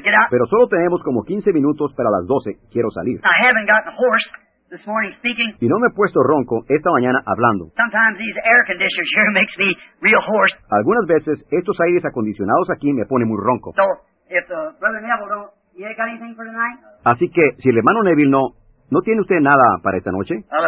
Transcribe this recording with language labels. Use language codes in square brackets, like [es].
[es] Pero solo tenemos como 15 minutos para las 12. Quiero salir. [en] I haven't gotten hoarse this morning speaking. [es] Y no me he puesto ronco esta mañana hablando. [en] Sometimes these air conditioners here makes me real hoarse. [es] Algunas veces estos aires acondicionados aquí me ponen muy ronco. [en] So, if Brother Neville don't, you ain't got anything for tonight? [es] Así que, si el hermano Neville no... ¿No tiene usted nada para esta noche?